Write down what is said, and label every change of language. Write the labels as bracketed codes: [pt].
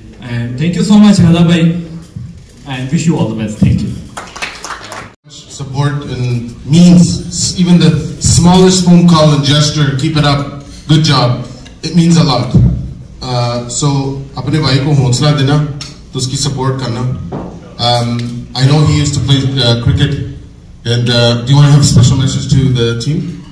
[en] And thank you so much Hala bhai and wish you all the best. Thank you. Support and means even the smallest phone call and gesture, keep it up, good job, it means a lot. [hi] So अपने भाई को हौसला देना तो उसकी support करना. [en] I know he used to play cricket and do you want to have a special message to the team?